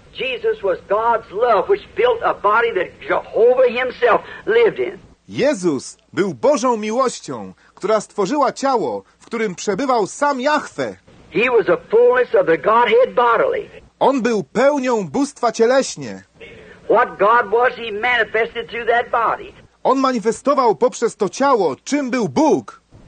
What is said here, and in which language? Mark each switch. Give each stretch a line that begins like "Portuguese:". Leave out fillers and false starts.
English: Jesus was God's love, which built a body that Jehovah himself lived in.
Polish: Jezus był Bożą miłością, która stworzyła ciało, w którym przebywał sam Jahwe.
English: He was a fullness of the Godhead bodily.
Polish: On był pełnią bóstwa cieleśnie.
English: What God was, he manifested through that body.
Polish: On manifestował poprzez to ciało, czym był Bóg.